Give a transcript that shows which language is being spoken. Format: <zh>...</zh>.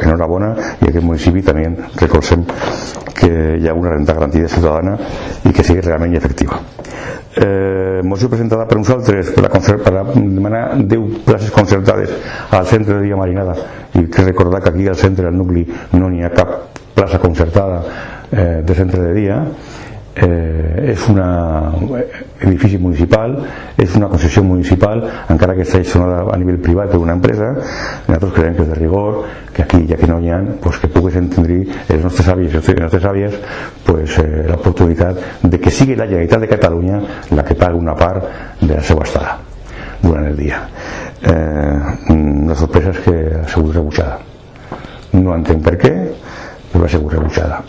<ca>Enhorabona, i aquest municipi també recolzem que hi ha una renta garantida ciutadana i que sigui realment efectiva. Moció presentada per nosaltres per demanar 10 places concertades al centre de Via Marinada, i que recordar que aquí al centre del nucli no n'hi ha cap plaça concertada de centre de dia.</ca> <es>Es un edificio municipal, es una concesión municipal,</es> <ca>encara que</ca> <es>está gestionada a nivel</es> <ca>privat per una empresa. Nosaltres creiem que és de rigor que aquí, ja que no hi ha, pues que pugues entendre els nostres avis i nostres àvies, pues, l'oportunitat de que sigui la Generalitat de Catalunya la que pague una part de la seva estada durant el dia. La sorpresa és que ha sigut rebutjada. No entenc per què, però ha sigut rebutjada.</ca>